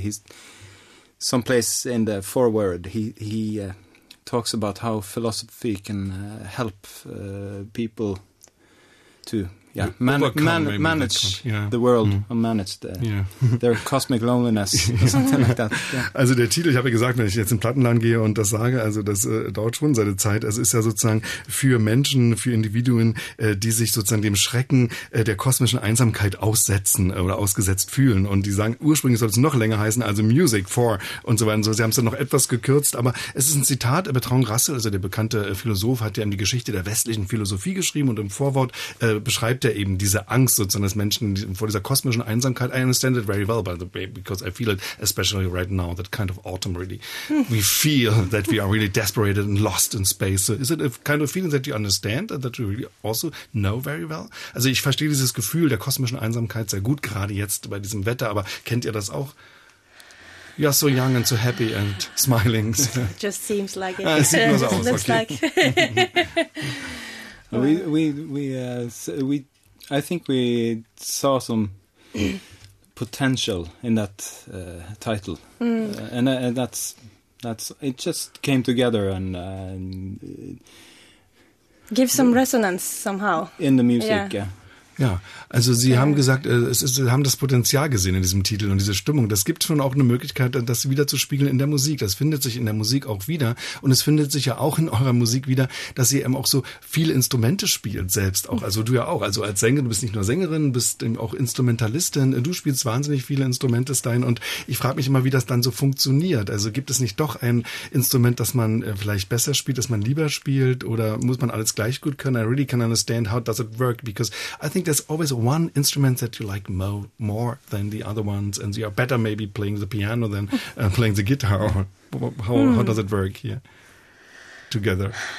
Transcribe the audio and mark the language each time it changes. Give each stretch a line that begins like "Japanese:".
English: He's someplace in the foreword. He talks about how philosophy can help people to. Yeah, manage the world and manage their cosmic loneliness or something like that. Yeah.
German: Also der Titel, ich habe ja gesagt, wenn ich jetzt in den Plattenladen gehe und das sage, also das dauert schon seine Zeit. Also ist ja sozusagen für Menschen, für Individuen, die sich sozusagen dem Schrecken der kosmischen Einsamkeit aussetzen oder ausgesetzt fühlen. Und die sagen, ursprünglich soll es noch länger heißen, also Music for und so weiter. So, sie haben es dann noch etwas gekürzt, aber es ist ein Zitat. Bertrand Russell, also der bekannte Philosoph, hat ja in die Geschichte der westlichen Philosophie geschrieben und im Vorwort beschreibt der eben diese Angst sozusagen des Menschen vor dieser kosmischen Einsamkeit.
English: I understand it very well, by the way, because I feel it, especially right now, that kind of autumn really. We feel that we are really desperated and lost in space. So is it a kind of feeling that you understand and that you really also know very well?
German: Also ich verstehe dieses Gefühl der kosmischen Einsamkeit sehr gut, gerade jetzt bei diesem Wetter, aber kennt ihr das auch?
English: You are so young and so happy and smiling. It just seems like it.
German: Es sieht nur so aus,
English: looks okay. Like. I think we saw some potential in that title, and that's it. Just came together and give some resonance somehow in the music. Yeah.
German: Ja, also Sie haben gesagt, Sie haben das Potenzial gesehen in diesem Titel und diese Stimmung. Das gibt schon auch eine Möglichkeit, das wieder zu spiegeln in der Musik. Das findet sich in der Musik auch wieder. Und es findet sich ja auch in eurer Musik wieder, dass ihr eben auch so viele Instrumente spielt, selbst auch. Also du ja auch. Also als Sängerin, du bist nicht nur Sängerin, bist eben auch Instrumentalistin. Du spielst wahnsinnig viele Instrumente, Stein. Und ich frage mich immer, wie das dann so funktioniert. Also gibt es nicht doch ein Instrument, das man vielleicht besser spielt, das man lieber spielt? Oder muss man alles gleich gut können?
English: I really can understand how does it work, because I think there's always one instrument that you like more than the other ones, and you are better maybe playing the piano than playing the guitar. How does it work here together?